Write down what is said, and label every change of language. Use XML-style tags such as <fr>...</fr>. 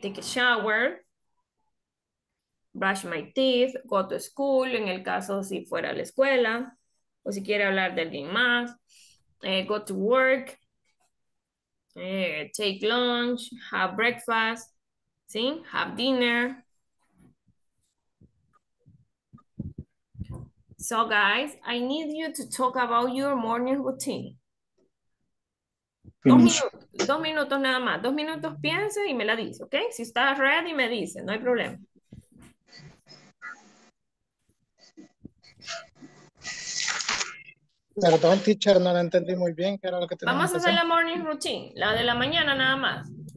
<en>Take a shower, brush my teeth, go to school,</en> <es>en el caso si fuera a la escuela, o si quiere hablar de alguien más,</es> <en>go to work, take lunch, have breakfast, ¿sí? Have dinner. So guys, I need you to talk about your morning routine.</en> <es>Dos minutos nada más. Dos minutos piense y me la dice, ¿ok? Si estás ready, me dice, no hay problema. Perdón, teacher, no la entendí muy bien. ¿Qué era lo que teníamos? Vamos a hacer la morning routine, la de la mañana nada más.</es>